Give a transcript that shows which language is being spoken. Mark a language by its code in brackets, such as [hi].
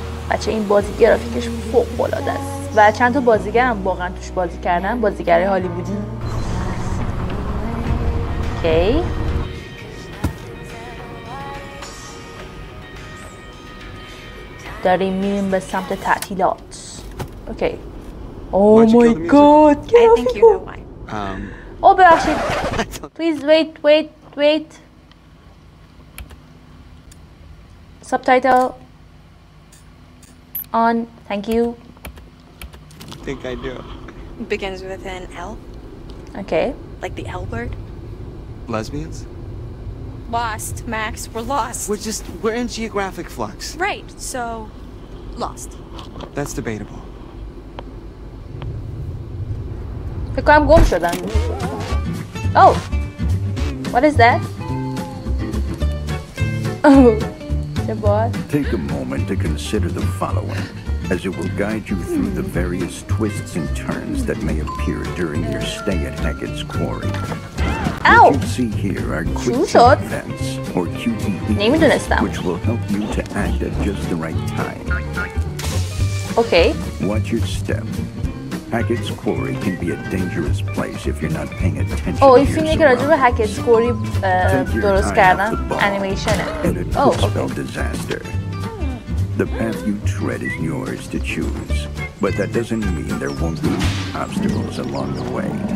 [fa] بچه این بازی گرافیکش فوق العاده است و چند تا بازیگر هم واقعا توش بازی کردن، بازیگر هالیوودی. اوکی، داریم میریم به سمت تعطیلات. [en] Okay, Oh my god. I think you know why. Oh, but please wait. Subtitle on. Thank you. I think I do. Begins with an L. Okay. Like the L word? Lesbians? Lost, Max. We're lost. We're in geographic flux. Right. So lost. That's debatable. [fa] فکر کنم گم شدن. [en] Oh, what is that؟ [fa] چه باید؟ [en] Take a moment to consider the following, as it will guide you through the various twists and turns that may appear during your stay at Hackett's Quarry. What you see here are quick events, or QTEs, which will help you to act at just the right time. Okay. Watch your step. Hackett's Quarry can be a dangerous place if you're not paying attention. [fa] Oh, این فیلمی که راجب Hackett's Quarry درست کردن انیمیشنه. [en] Spell disaster. The path you tread is yours to choose, but that doesn't mean there won't be obstacles along the way.